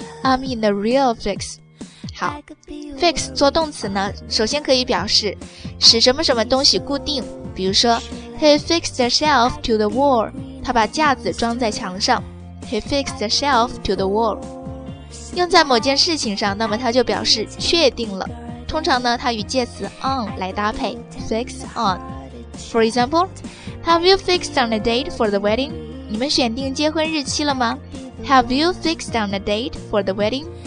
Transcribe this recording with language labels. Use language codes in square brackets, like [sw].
[en] I'm in a real fix. [zh] 好， fix 做动词呢，首先可以表示使什么什么东西固定，比如说 [en] He fixed the shelf to the wall. [zh] 他把架子装在墙上。 [en] He fixed the shelf to the wall. [zh] 用在某件事情上，那么它就表示确定了。通常呢，它与介词 on 来搭配 fix on. [en] For example, Have you fixed on a date for the wedding? [zh] 你们选定结婚日期了吗？ [en] Have you fixed on a date for the wedding?